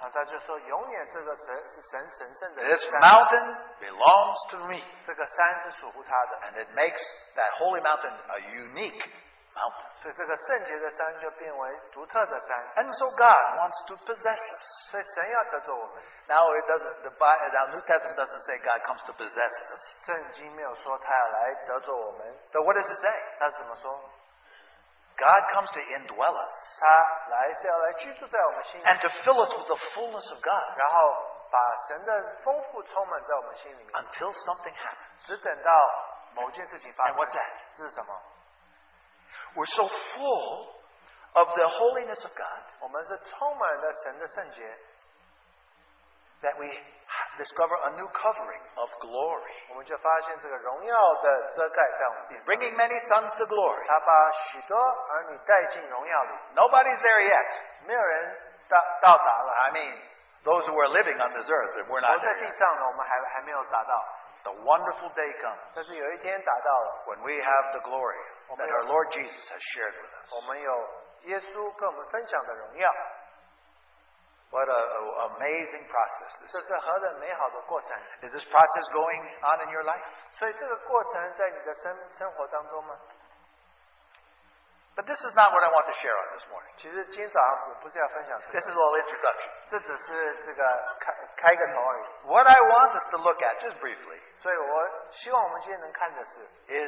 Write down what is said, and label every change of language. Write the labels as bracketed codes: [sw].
[zh] 那他就说永远这个神是神神圣的山。 [en] This mountain belongs to me. [zh] 这个山是属乎他的。 [en] And it makes that holy mountain a unique mountain. [zh] 所以这个圣洁的山就变为独特的山。 [en] And so God wants to possess us. [zh] 所以神要得着我们。 [en] Now it doesn't, the New Testament doesn't say God comes to possess us. [zh] 圣经没有说他要来得着我们。 [en] So what does it say? [zh] 他怎么说? [en] God comes to indwell us. [zh] 他来是要来居住在我们心里, [en] and to fill us with the fullness of God. [zh] 然后把神的丰富充满在我们心里面, [en] until something happens. [zh] 只等到某件事情发生, [en] and what's that? [zh] 是什么? [en] We're so full of the holiness of God, [zh] 我们是充满了神的圣洁, [en] that we discover a new covering of glory. [zh] 我们就发现这个荣耀的遮盖在我们心里, [en] bringing many sons to glory. [zh] 他把许多儿女带进荣耀里。 [en] Nobody's there yet. [zh] 没有人到达了。 [en] I mean, those who are living on this earth, we're not there. [zh] 活在地上的我们还没有达到。 [en] The wonderful day comes. [zh] 但是有一天达到了。 [en] When we have the glory that our Lord Jesus has shared with us. [zh] 我们有耶稣跟我们分享的荣耀。 [en] What an amazing process this is. [zh] 这是何等美好的过程。 [en] Is this process going on in your life? [zh] 所以这个过程在你的生活当中吗? [en] But this is not what I want to share on this morning. [zh] 其实今早我不是要分享这个, [en] this is all introduction. [zh] 这只是这个开个头而已。 [en] What I want us to look at, just briefly, [zh] 所以我希望我们今天能看的是,